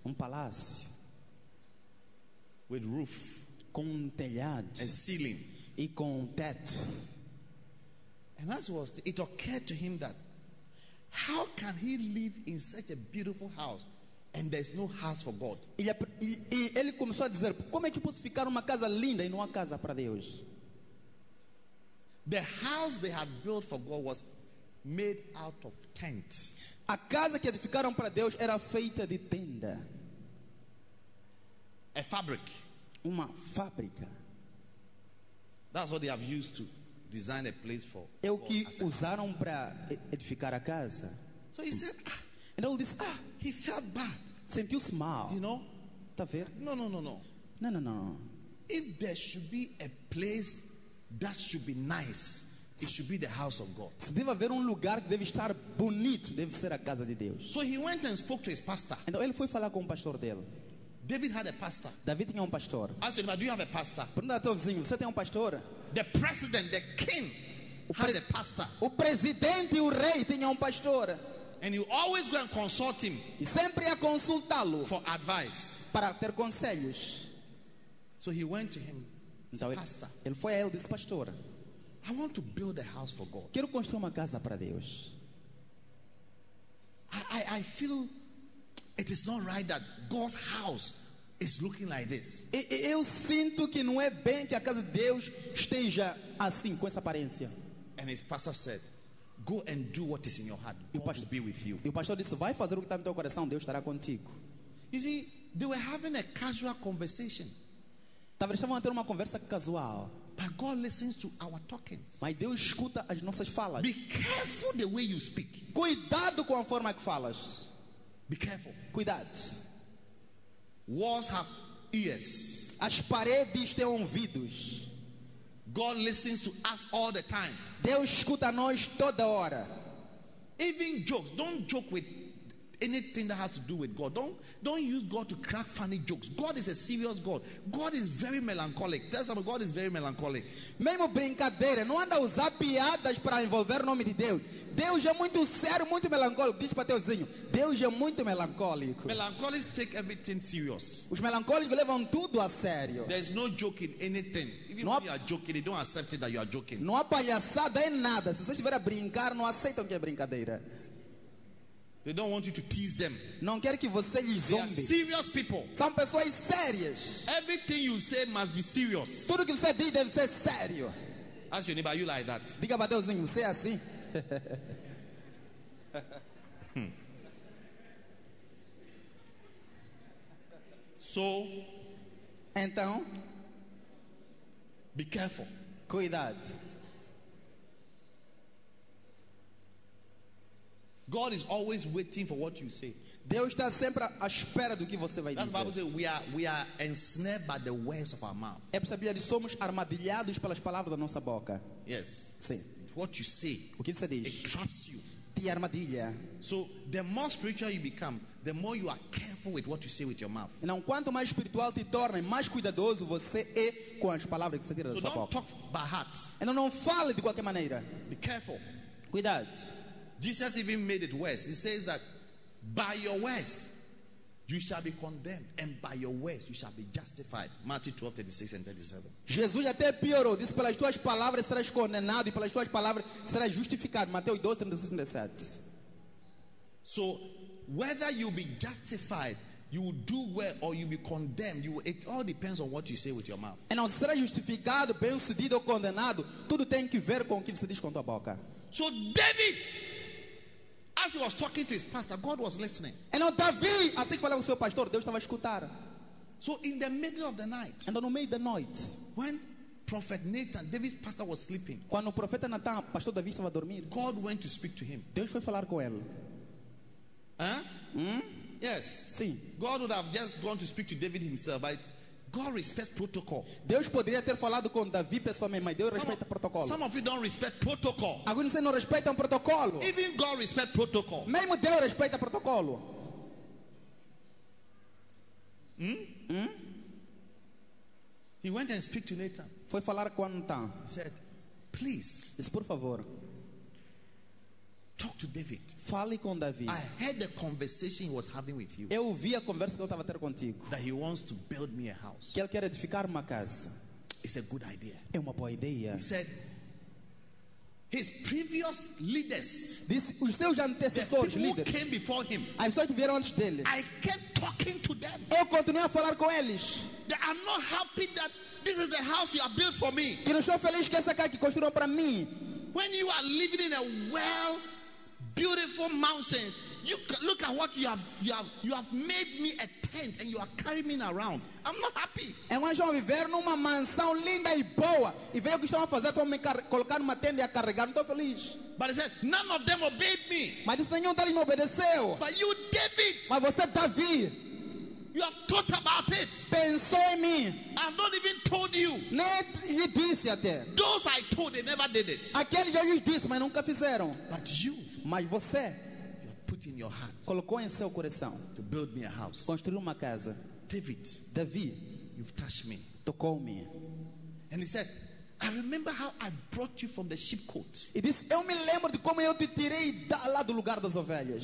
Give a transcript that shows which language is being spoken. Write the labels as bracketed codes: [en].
[pt] Um palácio. [en] With roof. [pt] Com um telhado. [en] And ceiling. [pt] E com um teto. [en] And as was, it occurred to him that how can he live in such a beautiful house and there's no house for God? [pt] E ele começou a dizer, como é que posso ficar numa casa linda e não há casa para Deus? [en] The house they had built for God was made out of tents. [pt] A casa que edificaram para Deus era feita de tenda. [en] A fabric. [pt] Uma fábrica. [en] That's what they have used to design a place for. [pt] É o que usaram para edificar a casa. [en] So he said, and all this, he felt bad. [pt] Sentiu-se mal. [en] You know? [pt] Tá ver? [en] No. If there should be a place that should be nice, it should be the house of God. [pt] Se deve haver lugar que deve estar bonito, deve ser a casa de Deus. [en] So he went and spoke to his pastor. [pt] Então ele foi falar com o pastor dele. [en] David had a pastor. [pt] David tinha pastor. [en] Asked him, do you have a pastor? [pt] Pergunta ao teu vizinho, você tem pastor? [en] The president, the king, had a pastor. [pt] O presidente, o rei tinha pastor. [en] And you always go and consult him. [pt] E sempre ia consultá-lo. [en] For advice. [pt] Para ter conselhos. [en] So he went to him. [pt] Então, pastor. Ele foi a ele, disse, pastor. [en] I want to build a house for God. [pt] Quero construir uma casa para Deus. [en] I feel it is not right that God's house is looking like this. [pt] Eu sinto que não é bem que a casa de Deus esteja assim com essa aparência. [en] And his pastor said, go and do what is in your heart. God will be with you. [pt] E o pastor disse, vai fazer o que está no teu coração, Deus estará contigo. [en] You see, they were having a casual conversation. [pt] Estavam a ter uma conversa casual. [en] But God listens to our talkings. [pt] Mas Deus escuta as nossas falas. [en] Be careful the way you speak. [pt] Cuidado com a forma que falas. [en] Be careful. [pt] Cuidado. [en] Walls have ears. [pt] As paredes têm ouvidos. [en] God listens to us all the time. [pt] Deus escuta a nós toda hora. [en] Even jokes. Don't joke with anything that has to do with God. Don't use God to crack funny jokes. God is a serious God. God is very melancholic. Tell somebody, God is very melancholic. [pt] Mesmo brincadeira, não anda a usar piadas para envolver o nome de Deus. Deus é muito sério, muito melancólico. Diz para teuzinho, Deus é muito melancólico. [en] Melancholics take everything serious. [pt] Os melancólicos levam tudo a sério. [en] There's no joking anything. Even if you are joking, they don't accept it that you are joking. [pt] Não há palhaçada em nada. Se você estiver a brincar, não aceitam que é brincadeira. [en] They don't want you to tease them. [pt] Não quer que você lhe zombe. [en] They are serious people. [pt] São pessoas sérias. [en] Everything you say must be serious. [pt] Tudo que você diz deve ser sério. [en] Ask your neighbor, are you like that? [pt] Diga para Deus, você é assim? [en] So, [pt] então, [en] be careful. [pt] Cuidado. [en] God is always waiting for what you say. [pt] Deus está sempre à espera do que você vai dizer. [en] The Bible says we are ensnared by the words of our mouth. [pt] É porque a Bíblia diz, somos armadilhados pelas palavras da nossa boca. [en] Yes. [pt] Sim. [en] What you say, [pt] o que você diz, [en] it traps you. [pt] Te armadilha. [en] So the more spiritual you become, the more you are careful with what you say with your mouth. [pt] Então, quanto mais espiritual te torna, mais cuidadoso você é com as palavras que você tira da sua boca. [en] Don't talk by heart. [pt] Então, não fale de qualquer maneira. [en] Be careful. [pt] Cuidado. [en] Jesus even made it worse. He says that by your words You shall be condemned, and by your words you shall be justified. Matthew 12, 36 and 37. [pt] Jesus até piorou, disse, pelas tuas palavras serás condenado e pelas tuas palavras serás justificado. Mateus 12, 36 and 37. [en] So, whether you be justified, you will do well, or you be condemned, you will, it all depends on what you say with your mouth. [pt] E não será justificado, bem-sucedido ou condenado, tudo tem que ver com o que você diz com tua boca. [en] So, David, as he was talking to his pastor, God was listening. [pt] And on Davi, assim que falava com seu pastor, Deus estava a escutar. [en] So in the middle of the night, [pt] and no meio da noite, [en] when Prophet Nathan, David's pastor, was sleeping, [pt] quando o profeta Nathan, pastor Davi, estava a dormir, [en] God went to speak to him. [pt] Deus foi falar com ele. Huh? Hmm? [en] Yes. [pt] Sim. [en] God would have just gone to speak to David himself, but God respects protocol. [pt] Deus poderia ter falado com Davi pessoalmente, mas Deus respeita protocolo. [en] Some of you don't respect protocol. [pt] Alguns de vocês não respeitam protocolo. [en] Even God respects protocol. [pt] Mesmo Deus respeita protocolo. [en] He went and spoke to Nathan. [pt] Foi falar com Nathan. [en] He said, "Please." [pt] Disse, por favor. [en] Talk to David. [pt] Fale com Davi. [en] I heard the conversation he was having with you. [pt] Eu ouvi a conversa que ele estava a ter contigo. [en] That he wants to build me a house. [pt] Que ele quer edificar uma casa. [en] It's a good idea. [pt] É uma boa ideia. [en] He said his previous leaders. [pt] This, os seus antecessores, [en] the people leaders, who came before him. I saw it very much daily. I kept talking to them. [pt] Eu continuei a falar com eles. [en] They are not happy that this is the house you have built for me. [pt] Que não estão felizes que essa casa que construiu para mim. [en] When you are living in a well beautiful mountains, you look at what you have made me a tent, and you are carrying me around. I'm not happy. [pt] É uma jovem viver numa mansão linda e boa, e veio o que estão a fazer com me colocar numa tenda e a carregar. Não estou feliz. [en] But he said, none of them obeyed me. [pt] Mas disse, nenhum deles me obedeceu. [en] But you, David. [pt] Mas você, Davi. [en] You have thought about it. [pt] Pensou em mim. [en] I've not even told you. [pt] Nem lhe disse até. [en] Those I told, they never did it. [pt] Aqueles eu lhes disse, mas nunca fizeram. [en] But you. [pt] Mas você, [en] you have put in your heart, [pt] colocou em seu coração, [en] to build me a house, [pt] construir uma casa. [en] David, [pt] Davi, [en] you've touched me, [pt] tocou-me. [en] And he said, I remember how I brought you from the sheepcote. [pt] E disse, eu me lembro de como eu te tirei lá do lugar das ovelhas.